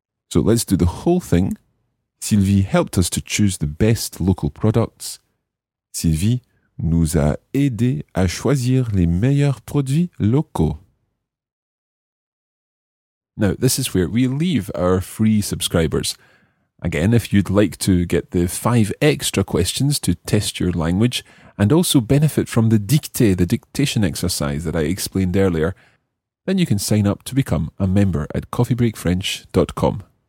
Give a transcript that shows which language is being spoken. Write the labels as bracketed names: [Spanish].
[English] So let's do the whole thing. Sylvie helped us to choose the best local products. [French] Sylvie nous a aidé à choisir les meilleurs produits locaux. [English] Now, this is where we leave our free subscribers. Again, if you'd like to get the 5 extra questions to test your language and also benefit from the dictée, the dictation exercise that I explained earlier, then you can sign up to become a member at coffeebreakfrench.com.